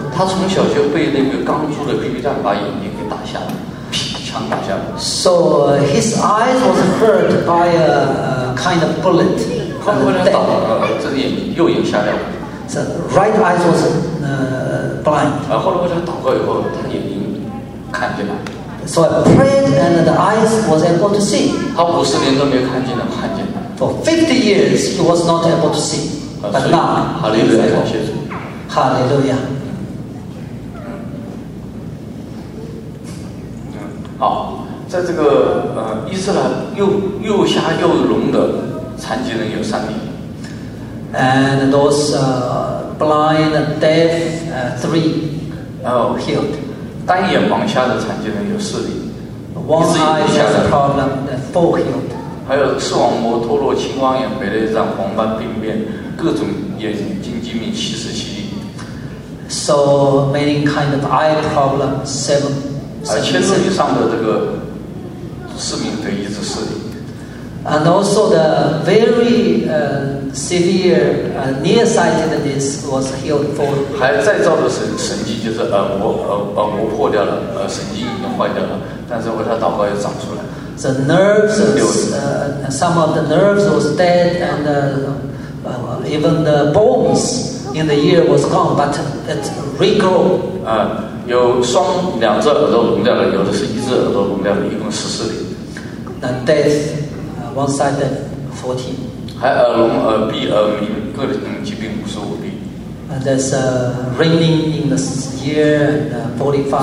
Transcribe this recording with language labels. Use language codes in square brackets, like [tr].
[zh] 他从小就被那个钢珠的 BB 弹把眼睛给打下来，枪打下来。 [en] So his eyes was hurt by a kind of bullet. [zh] 后来倒了，这个眼睛右眼瞎掉。 [en] So right eyes was blind. [zh] 后来他祷告以后，他眼睛看见了。 [en] So I prayed and the eyes was able to see. [zh] 他五十年都没看见了，看见了。 [en] For 50 years, he was not able to see, but now, [zh] Hallelujah, 感谢主。 [en] Hallelujah. [zh] 好，在这个伊斯兰又瞎又聋的残疾人有三名。 [en] And those blind, deaf, three. Healed. [zh] 单眼盲瞎的残疾人有四名。 [en] One eye has a problem. Four healed. [zh] 还有视网膜脱落、青光眼、白内障、黄斑病变、各种眼睛疾病七十七例。 [en] So many kind of eye problem seven. [zh] 千多以上的这个市民得医治视力。 [en] And also the very severe nearsightedness was healed for. [zh] 还再造的神迹就是耳膜破掉了，神经已经坏掉了，但是为他祷告又长出来。 [en] The nerves, some of the nerves was dead, and even the bones in the ear was gone, but it regrow. [zh] 有双两只耳朵聋掉了，有的是一只耳朵聋掉了，一共十四例。 [en] And deaf, one side deaf, 14. [zh] 还耳聋、耳闭、耳鸣，各种疾病55例。 [en] And there's a ringing in the ear, 45.